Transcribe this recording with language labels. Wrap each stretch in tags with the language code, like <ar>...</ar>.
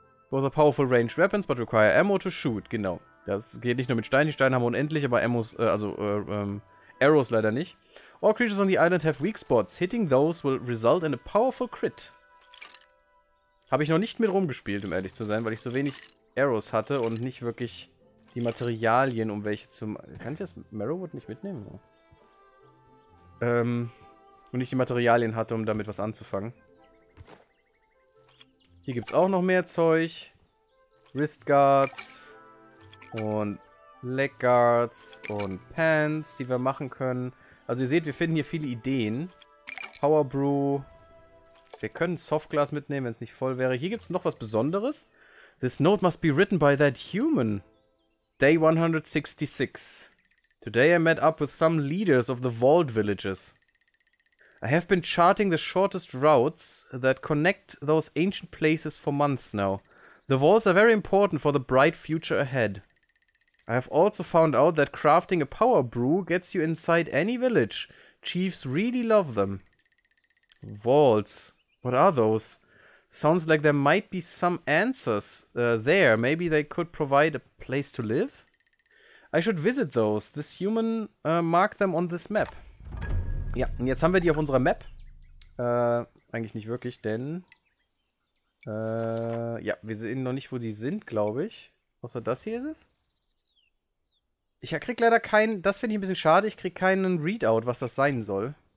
<en>Both are powerful ranged weapons, but require ammo to shoot.</en> <de>Genau. Das geht nicht nur mit Steinen. Die Steine haben wir unendlich, aber Ammos, Arrows leider nicht.</de> <en>All creatures on the island have weak spots. Hitting those will result in a powerful crit.</en> <de>Habe ich noch nicht mit rumgespielt, um ehrlich zu sein, weil ich so wenig Arrows hatte und nicht wirklich die Materialien, um welche zu... Kann ich das Marrowwood nicht mitnehmen? Und nicht die Materialien hatte, um damit was anzufangen. Hier gibt es auch noch mehr Zeug. Wristguards und Legguards und Pants, die wir machen können. Also ihr seht, wir finden hier viele Ideen. Powerbrew. Wir können Softglas mitnehmen, wenn es nicht voll wäre. Hier gibt es noch was Besonderes.</de> <en>This note must be written by that human. Day 166. Today I met up with some leaders of the Vault Villages. I have been charting the shortest routes that connect those ancient places for months now. The vaults are very important for the bright future ahead. I have also found out that crafting a power brew gets you inside any village. Chiefs really love them. Vaults. What are those? Sounds like there might be some answers there. Maybe they could provide a place to live? I should visit those. This human marked them on this map.</en> <de>Ja, und jetzt haben wir die auf unserer Map. Eigentlich nicht wirklich, denn... ja, wir sehen noch nicht, wo die sind, glaube ich. Außer das hier ist es. Ich krieg leider keinen... Das finde ich ein bisschen schade. Ich krieg keinen Readout, was das sein soll.</de>